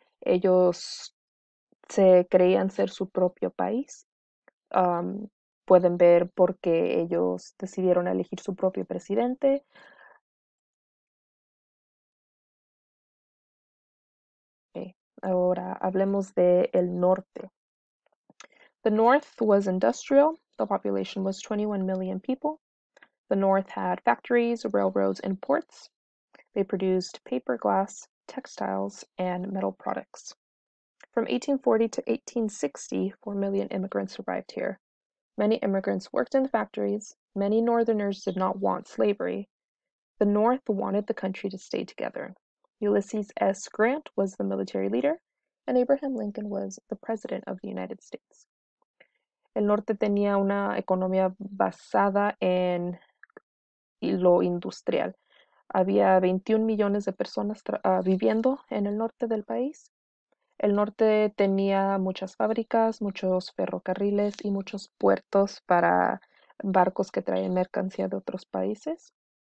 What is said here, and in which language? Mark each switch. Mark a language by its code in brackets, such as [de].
[es] Ellos se creían ser su propio país. Pueden ver por qué ellos decidieron elegir su propio presidente. Ahora hablemos del norte. [en] The North was industrial. The population was 21 million people. The North had factories, railroads, and ports. They produced paper, glass, textiles, and metal products. From 1840 to 1860, 4 million immigrants arrived here. Many immigrants worked in the factories. Many Northerners did not want slavery. The North wanted the country to stay together. Ulysses S. Grant was the military leader, and Abraham Lincoln was the president of the United States. [es] El norte tenía una economía basada en lo industrial. Había 21 millones de personas viviendo en el norte del país. El norte tenía muchas fábricas, muchos ferrocarriles y muchos puertos para barcos que traían mercancía de otros países.